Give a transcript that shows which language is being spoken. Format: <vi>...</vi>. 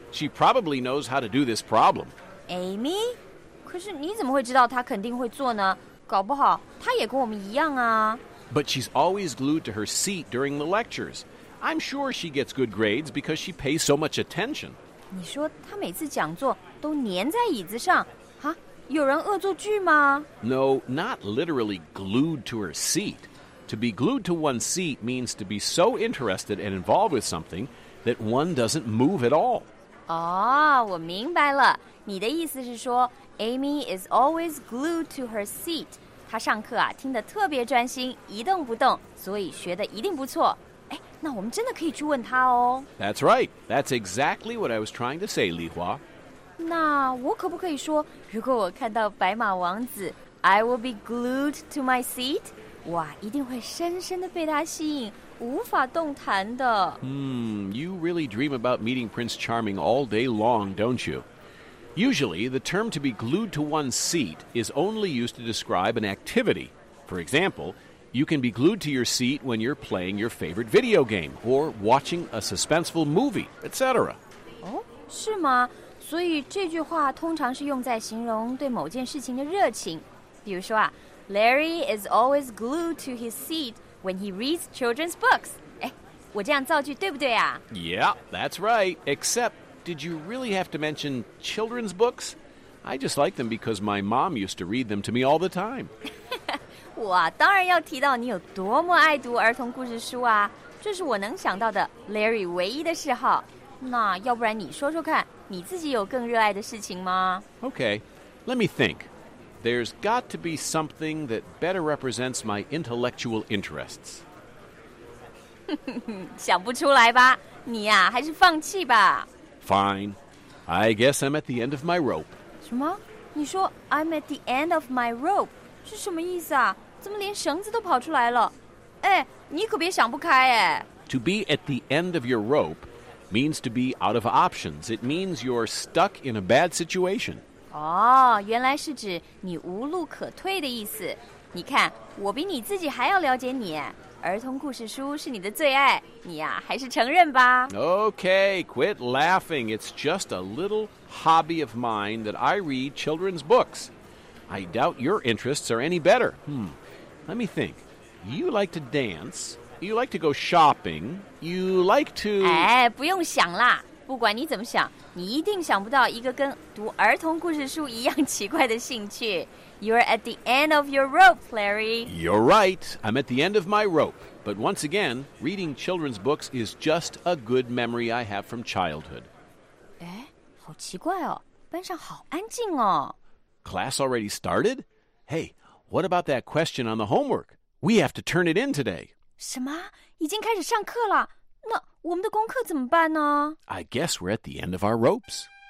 <en>She probably knows how to do this problem. Amy?</en> <zh>可是你怎么会知道她肯定会做呢？搞不好她也跟我们一样啊。</zh> <en>But she's always glued to her seat during the lectures. I'm sure she gets good grades because she pays so much attention.</en> <zh>你说她每次讲座都粘在椅子上，啊，有人恶作剧吗？</zh> <en>No, not literally glued to her seat. To be glued to one's seat means to be so interested and involved with something that one doesn't move at all.</en> <zh>Oh, 我明白了。你的意思是说</zh> <en>Amy is always glued to her seat.</en> <zh>她上课啊，听得特别专心，一动不动，所以学得一定不错。哎，那我们真的可以去问她哦。</zh> <en>That's right. That's exactly what I was trying to say, Li Hua.</en> <zh>那我可不可以说，如果我看到白马王子，</zh> <en>I will be glued to my seat?</en> <zh>哇，一定会深深地被他吸引，无法动弹的。</zh> <en>You really dream about meeting Prince Charming all day long, don't you? Usually, the term to be glued to one's seat is only used to describe an activity. For example, you can be glued to your seat when you're playing your favorite video game or watching a suspenseful movie, etc.</en> <zh>哦，是吗？所以这句话通常是用在形容对某件事情的热情。比如说啊，</zh> <en>Larry is always glued to his seat when he reads children's books.</en> <zh>哎，我这样造句对不对啊？</zh> <en>Yeah, that's right. Except, did you really have to mention children's books? I just like them because my mom used to read them to me all the time.</en> <zh>我当然要提到你有多么爱读儿童故事书啊，这是我能想到的 Larry 唯一的嗜好。那要不然你说说看，你自己有更热爱的事情吗？</zh> <en>Okay, let me think. There's got to be something that better represents my intellectual interests.</en> <zh>想不出来吧？你呀，还是放弃吧。</zh> <en>Fine. I guess I'm at the end of my rope.</en> <zh>什么？你说</zh> <en>I'm at the end of my rope</en> <zh>是什么意思啊？怎么连绳子都跑出来了？哎，你可别想不开哎。</zh> <en>To be at the end of your rope. Means to be out of options. It means you're stuck in a bad situation.</en> <zh>Oh, 原来是指你无路可退的意思。你看，我比你自己还要了解你。儿童故事书是你的最爱，你呀，还是承认吧。</zh> <en>Okay, quit laughing. It's just a little hobby of mine that I read children's books. I doubt your interests are any better. Let me think. You like to dance... You like to go shopping. You like to...</en> <zh>哎，不用想啦。不管你怎么想，你一定想不到一个跟读儿童故事书一样奇怪的兴趣。</zh> <en>You're at the end of your rope, Larry. You're right. I'm at the end of my rope. But once again, reading children's books is just a good memory I have from childhood.</en> <zh>哎，好奇怪哦。班上好安静哦。</zh> <en>Class already started? Hey, what about that question on the homework? We have to turn it in today.</en> <zh>什么？已经开始上课了？那我们的功课怎么办呢？</zh> <en>I guess we're at the end of our ropes.</en>